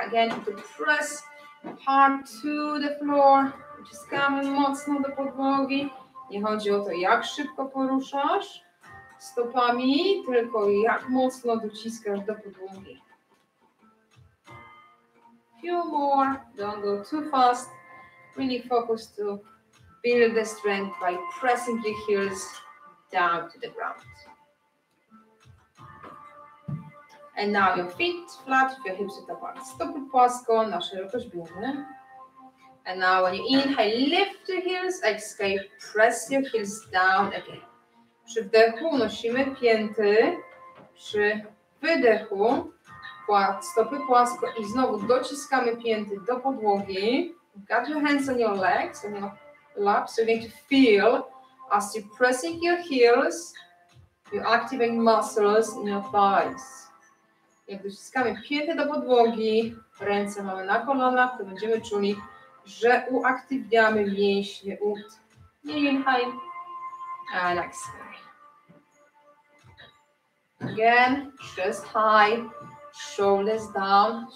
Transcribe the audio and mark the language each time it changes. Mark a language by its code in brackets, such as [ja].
[en] Again, you can press hard to the floor. [pl] Uciskamy mocno do podłogi. Nie chodzi o to, jak szybko poruszasz stopami, tylko jak mocno dociskasz do podłogi. [en] A few more. Don't go too fast. Really focus to build the strength by pressing your heels down to the ground. And now your feet flat, your hips width apart. [pl] Stopy płasko, na szerokość biodra. [en] And now when you inhale, lift your heels. Exhale, press your heels down again. [pl] Przy wdechu unosimy pięty. Przy wydechu stopy płasko i znowu dociskamy pięty do podłogi. [en] Got your hands on your [pl] legs, on your [en] lap. So you need to feel as you're pressing your heels, you're activating muscles in your thighs. [pl] Jak wyciskamy pięty do podłogi, ręce mamy na kolanach, to będziemy czuli, że uaktywniamy mięśnie ud. [en] Inhale. And exhale. Again, chest high, shoulders down.